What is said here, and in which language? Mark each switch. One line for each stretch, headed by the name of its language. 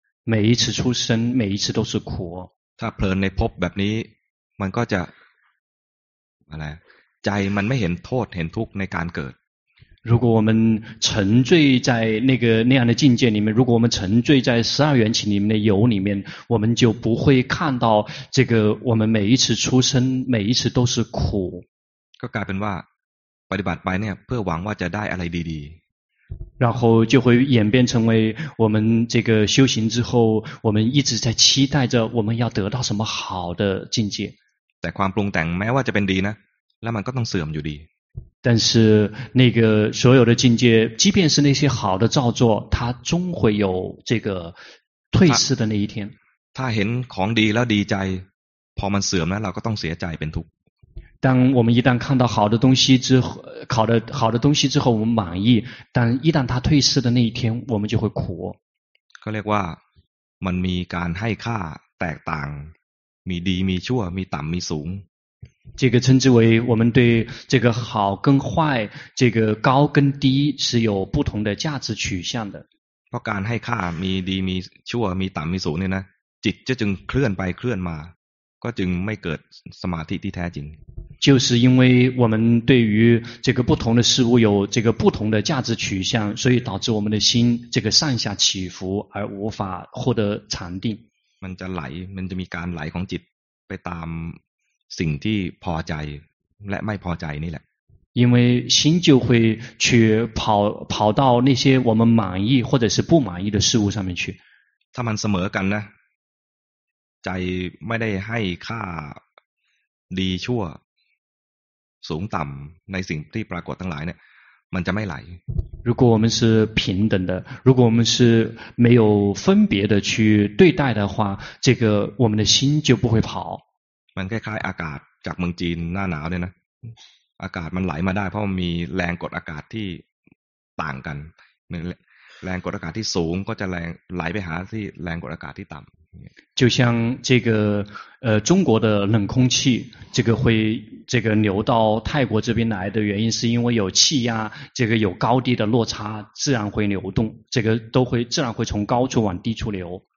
Chinese: 每一次出生，每一次都是苦。
Thai: ถ้าเพลินในภพแบบนี้มันก็จะอะไรใจมันไม่เห็นโทษเห็นทุกข์ในการเกิด。
Chinese: 如果我们沉醉在那样的境界里面，如果我们沉醉在十二缘起里面的有里面，我们就不会看到这个。我们每一次出生，每一次都是苦。
Thai: ก็กลายเป็นว่าปฏิบัติไปเนี่ยเพื่อหวังว่าจะได้อะไรดี
Chinese: ๆ然后就会演变成为我们这个修行之后，我们一直在期待着我们要得到什么好的境界。
Thai: แต่ความปรุงแต่งแม้ว่าจะเป็นดีนะแล้วมันก็ต้องเสื่อมอยู่ดี
Chinese: 但是那个所有的境界即便是那些好的造作它终会有这个退失的那一天
Thai: 他เห็นของดีแล้วดีใจพอมันเสื่อมแล้วเราก็ต้องเสียใจเป็นทุกข์
Chinese: 当我们一旦看到好的东西之后好的东西之后我们满意但一旦它退失的那一天我们就会苦
Thai: ก็เรียกว่ามันมีการให้ค่าแตกต่างมีดีมีชั่วมีต่ำมีสูง
Chinese: 这个称之为我们对这个好跟坏这个高跟低是有不同的价值取向的
Thai: เพราะการให้ค่ามีดีมีชั่วมีต่ำมีสูงเนี่ยนะจิตจะจึงเคลื่อนไปเคลื่อนมาก็จึงไม่เกิดสมาธิที่แท้จริง
Chinese: 就是因为我们对于这个不同的事物有这个不同的价值取向所以导致我们的心这个上下起伏而无法获得禅定
Thai: มันจะไหลมันจะมีการไหลของจิตไปตามสิ่งที่พอใจและไม่พอใจนี่แหละ
Chinese: 因为心就会去跑到那些我们满意或者是不满意的事物上面去
Thai: ถ้ามันเสมอกันนะใจไม่ได้ให้ค่าดีชั่วสูงต่ำในสิ่งที่ปรากฏทั้งหลายเนี่ยมันจะไม่ไหล
Chinese: 如果我们是平等的如果我们是没有分别的去对待的话这个我们的心就不会跑
Thai: มันคล้ายๆอากาศจากเมืองจีนหน้าหนาวเนี่ยนะอากาศมันไหลมาได้เพราะมันมีแรงกดอากาศที่ต่างกันแรงกดอากาศที่สูงก็จะแรงไหลไปหาที่แรงกดอากาศที่ต่ำ
Chinese: 就像这个中国的冷空气这个会这个流到泰国这边来的原因是因为有气压这个有高低的落差自然会流动这个都会自然会从高处往低处流